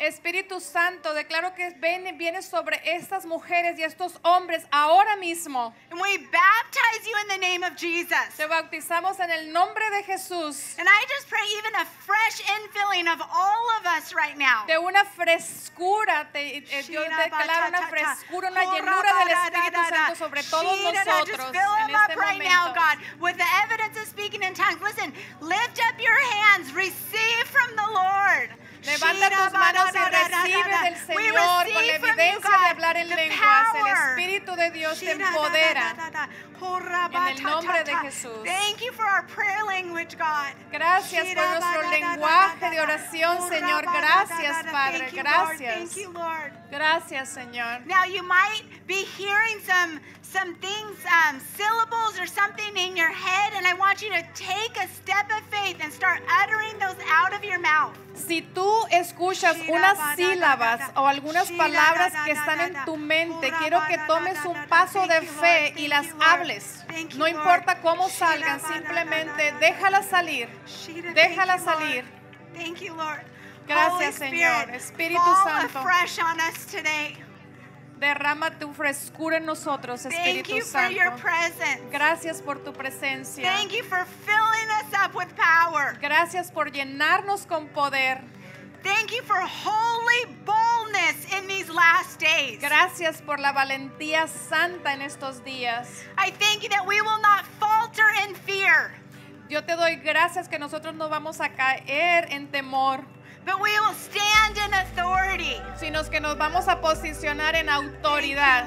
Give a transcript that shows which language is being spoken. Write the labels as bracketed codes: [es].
[es] Espíritu Santo, declaro que viene sobre estas mujeres y estos hombres ahora mismo. [en] And we baptize you in the name of Jesus. [es] Te bautizamos en el nombre de Jesús. [en] And I just pray even a fresh infilling of all of us right now. [es] De una frescura, yo declaro una frescura, una llenura del Espíritu Santo sobre todos nosotros en este momento. [en] Just fill them up right now, God, with the evidence of speaking in tongues. Listen, lift up your hands, receive from the Lord. [es] Levanta tus manos y recibe del Señor con la evidencia de hablar en lenguas. El Espíritu de Dios te empodera. En el nombre de Jesús. [en] Thank you for our prayer language, God. [es] Gracias por nuestro lenguaje de oración, Señor. Gracias, Padre. Gracias. [en] Thank you, Lord. [es] Gracias, Señor. [en] Now you might be hearing some things, syllables or something in your head, and I want you to take a step of faith and start uttering those out of your mouth. [es] Si tú escuchas unas sílabas o algunas palabras que están en tu mente, quiero que tomes un paso de fe y las hables. No importa cómo salgan, simplemente déjalas salir. Déjalas salir. [en] Thank you, Lord. [es] Gracias, Señor. Espíritu Santo. [en] Fall afresh on us today. [es] Derrama tu frescura en nosotros, Espíritu Santo. [en] Thank you for your presence. [es] Gracias por tu presencia. [en] Thank you for filling us up with power. [es] Gracias por llenarnos con poder. [en] Thank you for holy boldness in these last days. [es] Gracias por la valentía santa en estos días. [en] I thank you that we will not falter in fear. [es] Yo te doy gracias que nosotros no vamos a caer en temor. [en] But we will stand in authority. [es] Sino que nos vamos a posicionar en autoridad.